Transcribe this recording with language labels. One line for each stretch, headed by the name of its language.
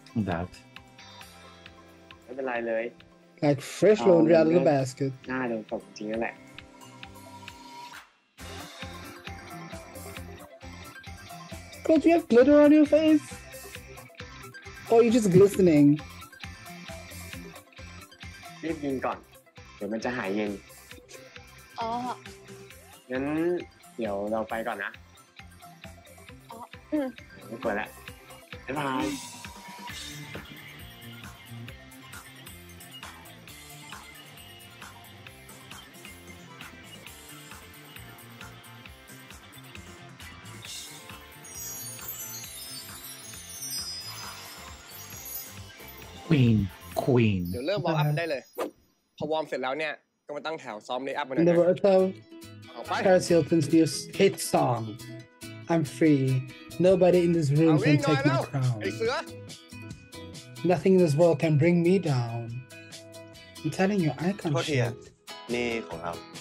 English: That.
Thai: เป็นไรเลย
English: like fresh laundry out of the basket
Thai: น่าโดนตบจริงแหละ
English: ก็ you have glitter on your face or you just glistening
Thai: รีบกินก่อนเดี๋ยวมันจะหายเย็นงั้นเดี๋ยวเราไปก่อนนะไม่กลัวแล้วบ๊ายบาย
English: Queen
Thai: เดี๋ยวเริ่มวอร์มอัพได้เลยพอวอร์มเสร็จแล้วเนี่ยก็มาตั้งแถวซ้อมเลยอัพ กันนะ
English: The world of Paris Hilton's new hit song I'm free Nobody in this room can take my crown Nothing in this world can bring me down I'm telling you I can't
Thai: shit นี่ของเรา